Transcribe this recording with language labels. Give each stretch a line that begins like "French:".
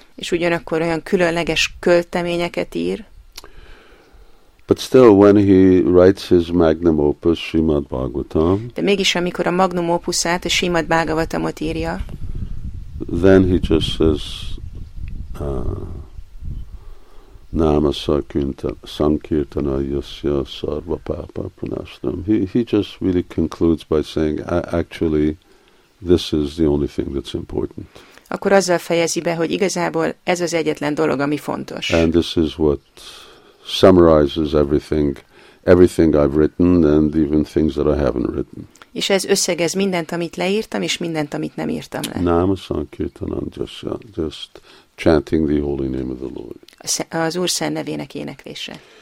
Hungarian: És ugyanakkor olyan különleges költeményeket ír.
English: But still, when he writes his magnum opus, Srimad Bhagavatam,
Hungarian: de mégis, amikor a magnum opuszát, a Srimad Bhagavatamot írja,
English: then he just says,
Sanskrit: Nama Sankirtana Yasya Sarva Papa Pranashtam.
English: He just really concludes by saying, actually, this is the only thing that's important.
Hungarian: Akkor azzal fejezi be, hogy igazából ez az egyetlen dolog, ami fontos.
English: And this is what summarizes everything I've written and even things that I haven't written.
Hungarian: És ez összegez mindent, amit leírtam, és mindent, amit nem írtam le.
English: Nama Sankirtanam, just chanting the holy name of the Lord.
Hungarian: Az Úr Szent nevének éneklése.